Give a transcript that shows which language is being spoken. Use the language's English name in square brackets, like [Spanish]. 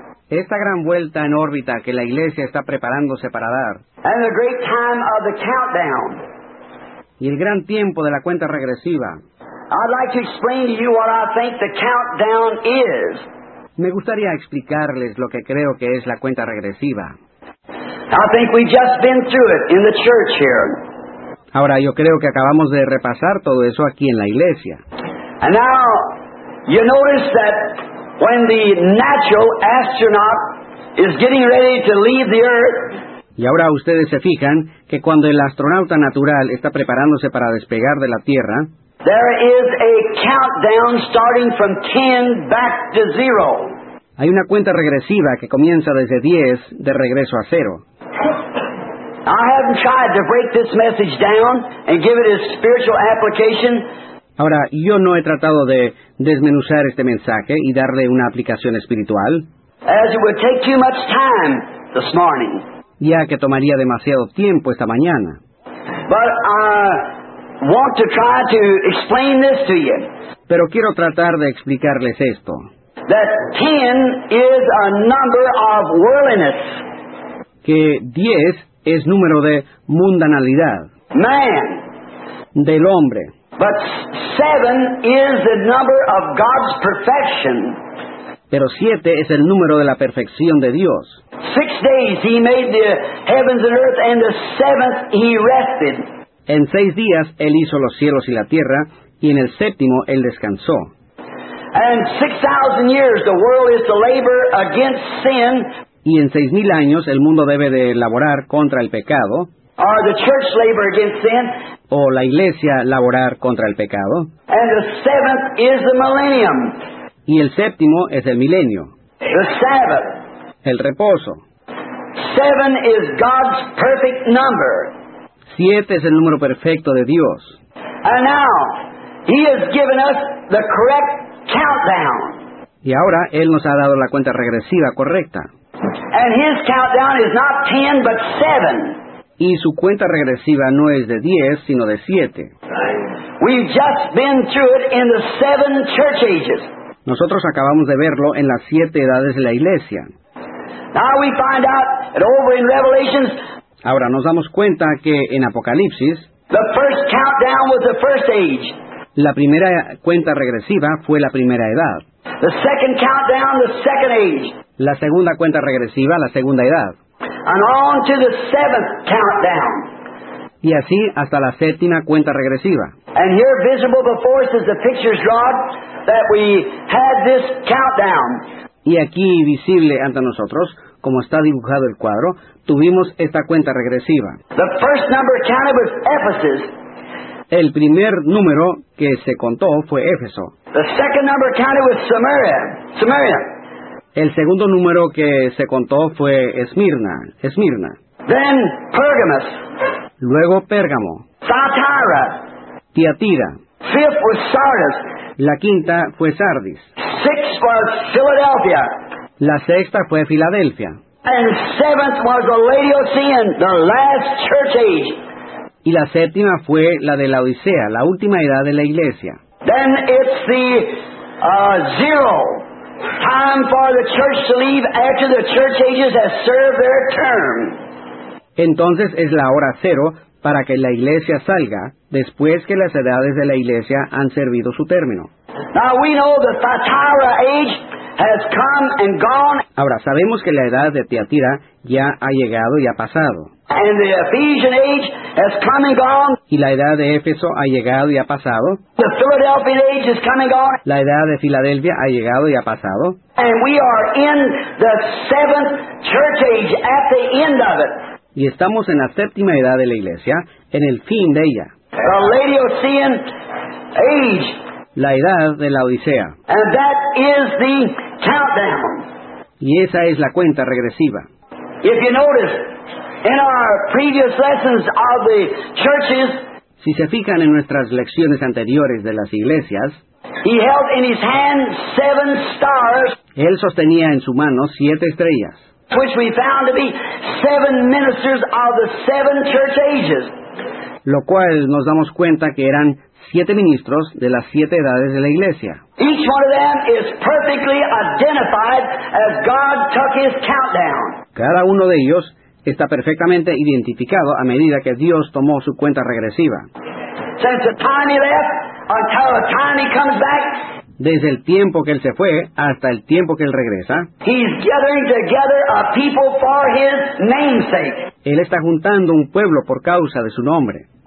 [Spanish] Esta gran vuelta en órbita que la iglesia está preparándose para dar. [English] And the great time of the countdown. [Spanish] Y el gran tiempo de la cuenta regresiva. [English] I'd like to explain to you what I think the countdown is. [Spanish] Me gustaría explicarles lo que creo que es la cuenta regresiva. [English] I think we've just been through it in the church here. [Spanish] Ahora, yo creo que acabamos de repasar todo eso aquí en la iglesia. [English] And now, you notice that when the natural astronaut is getting ready to leave the Earth. [Spanish] Y ahora ustedes se fijan que cuando el astronauta natural está preparándose para despegar de la Tierra, [English] there is a countdown starting from 10 back to zero. [Spanish] Hay una cuenta regresiva que comienza desde 10 de regreso a cero. [English] I haven't tried to break this message down and give it a spiritual application. [Spanish] Ahora, yo no he tratado de desmenuzar este mensaje y darle una aplicación espiritual. [English] As it would take too much time this morning. [Spanish] Ya que tomaría demasiado tiempo esta mañana. [English] But I want to try to explain this to you. [Spanish] Pero quiero tratar de explicarles esto. [English] That 10 is a number of worldliness. [Spanish] Que 10 es número de mundanalidad. [English] Man. [Spanish] Del hombre. [English] But 7 is the number of God's perfection. [Spanish] Pero 7 es el número de la perfección de Dios. [English] 6 days he made the heavens and earth, and the seventh he rested. [Spanish] En 6 días él hizo los cielos y la tierra, y en el séptimo él descansó. [English] And 6,000 years the world is to labor against sin. [Spanish] Y en 6,000 años el mundo debe de laborar contra el pecado. [English] Or the church labor against sin. [Spanish] O la iglesia laborar contra el pecado. [English] And the seventh is the millennium. [Spanish] Y el séptimo es el milenio. [English] The Sabbath. [Spanish] El reposo. [English] 7 is God's perfect number. [Spanish] 7 es el número perfecto de Dios. [English] And now, he has given us the correct countdown. [Spanish] Y ahora, él nos ha dado la cuenta regresiva correcta. [English] And his countdown is not 10, but 7. [Spanish] Y su cuenta regresiva no es de 10, sino de 7. [English] We've just been through it in the 7 church ages. [Spanish] Nosotros acabamos de verlo en las 7 edades de la iglesia. [English] Now we find out that over in Revelations. [Spanish] Ahora nos damos cuenta que en Apocalipsis. [English] The first countdown was the first age. [Spanish] La primera cuenta regresiva fue la primera edad. [English] The second countdown, the second age. [Spanish] La segunda cuenta regresiva, la segunda edad. [English] And on to the seventh countdown. [Spanish] Y así hasta la séptima cuenta regresiva. [English] And here visible before us is the pictures drawn that we had this countdown. [Spanish] Y aquí, visible ante nosotros, como está dibujado el cuadro, tuvimos esta cuenta regresiva. [English] The first number counted was Ephesus. [Spanish] El primer número que se contó fue Éfeso. [English] The second number counted was Samaria. [Spanish] Samaria. El segundo número que se contó fue Esmirna. Esmirna. [English] Then Pergamos. [Spanish] Luego Pérgamo. [English] Thyatira. [Spanish] Tiatira. [English] Fifth was Sardis. [Spanish] La quinta fue Sardis. [English] Sixth was Philadelphia. [Spanish] La sexta fue Filadelfia. [English] And seventh was the Laodicea, the last church age. [Spanish] Y la séptima fue la de la Odisea, la última edad de la iglesia. [English] Then it's the zero Time for the church to leave after the church ages has served their term. [Spanish] Entonces es la hora cero para que la iglesia salga después que las edades de la iglesia han servido su término. [English] Now we know the Thyatira age has come and gone. [Spanish] Ahora sabemos que la edad de Tiatira ya ha llegado y ha pasado. [English] And the Ephesian age has come and gone. [Spanish] Y la edad de Éfeso ha llegado y ha pasado. [English] The Philadelphian age has come and gone. [Spanish] La edad de Filadelfia ha llegado y ha pasado. [English] And we are in the seventh church age at the end of it. [Spanish] Y estamos en la séptima edad de la iglesia, en el fin de ella. [English] The Laodicean age. [Spanish] La edad de la Odisea. [English] And that is the countdown. [Spanish] Y esa es la cuenta regresiva. [English] If you notice, in our previous lessons of the churches, [Spanish] si se fijan en nuestras lecciones anteriores de las iglesias, [English] he held in his hand seven stars, [Spanish] él sostenía en su mano siete estrellas, [English] which we found to be seven ministers of the seven church ages. [Spanish] Lo cual nos damos cuenta que eran siete ministros de las siete edades de la iglesia. [English] Each one of them is perfectly identified as God took his countdown. [Spanish] Cada uno de ellos está perfectamente identificado a medida que Dios tomó su cuenta regresiva. [English] Since the time he left until the time he comes back, [Spanish] desde el tiempo que él se fue hasta el tiempo que él regresa, [English] he's gathering together a people for his namesake. [Spanish] Él está juntando un pueblo por causa de su nombre.